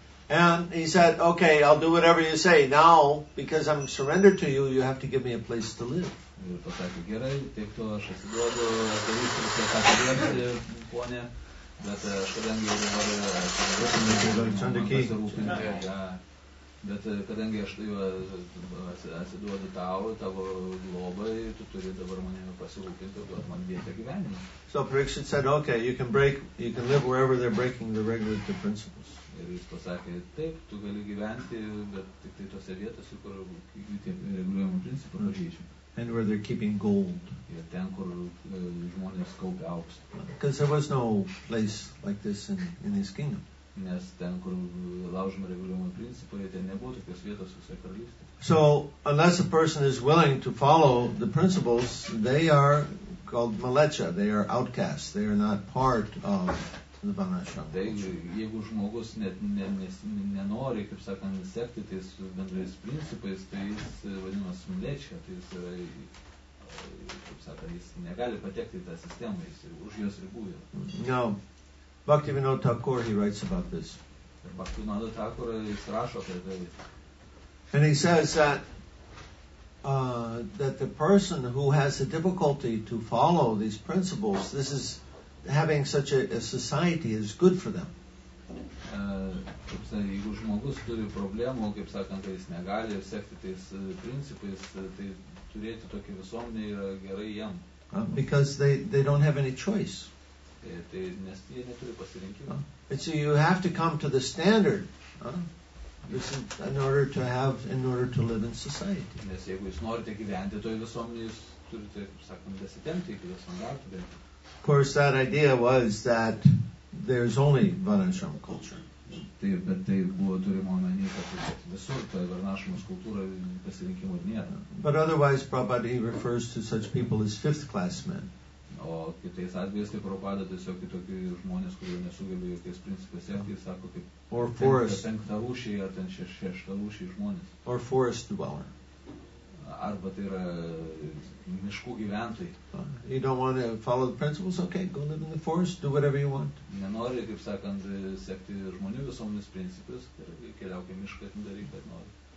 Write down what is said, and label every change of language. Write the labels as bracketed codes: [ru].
[en] And he said, "Okay, I'll do whatever you say. Now, because I'm surrendered to you, you have to give me a place to live." [lt] Bet kadangi aš atsiduodu tavo globai, tu turi dabar manimi pasirūpinti, duot man vietą gyvenimą. [en] So Parikshit said, "Okay, you can live wherever they're breaking the regulative principles." [lt] Ir jis pasakė, taip, tu gali gyventi, bet tik tai tose vietose, kur tie reguliuojami principai pažeidžia. [en] And where they're keeping gold. [lt] Yeah, ten kur žmonės kaupia auksą. [en] Because there was no place like this in his kingdom. [lt] Nes ten, kur laužoma reguliuojama principai, ten nebuvo tokios vietos visoje karalystėje. [en] So, unless a person is willing to follow the principles, they are called malecha, they are outcasts, they are not part of the Varnashrama. [lt] Taigi, jeigu žmogus nenori, kaip sakant, sekti tais bendrais principais, tai jis vadinamas malecha, tai jis yra, kaip sakant, jis negali patekti tą sistemą, jis už jos ribų yra. [en] No. Bhaktivinoda Thakur, he writes about this. [lt] Bhaktivinoda Thakur, jis rašo apie tai. [en] And he says that the person who has a difficulty to follow these principles, this is having such a society is good for them. [lt] Jeigu žmogus turi problemų, kaip sakant, jis negali sekti tais principais, tai turėti tokį visuomenį yra gerai jam. [en] Because they don't have any choice. So you have to come to the standard in order to live in society. [lt] Nes jeigu jūs norite gyventi toje visuomenėje, jūs turite, kaip sakant, desitemti iki to standarto. [en] Of course, that idea was that there's only Varnashrama culture. [lt] Taip, bet tai buvo turima omenyje, kad visur toje Varnashramos kultūroje pasirinkimo nėra. [en] But otherwise, Prabhupada refers to such people as fifth class men. [lt] O kitais atvejais, kaip Prabhupada, tiesiog kitokių žmonės, kurie nesugebė jokiais principais sekti, jis sako, kaip penktą rūšį, ar ten šeštą rūšį žmonės. [en] Or forest dweller. [lt] Arba tai yra miškų gyventojai. [en] You don't want to follow the principles? Okay, go live in the forest, do whatever you want. [lt] Nenori, kaip sakant, sekti žmonių visuomenės principais, keliauk į mišką, ten daryk, kad nori.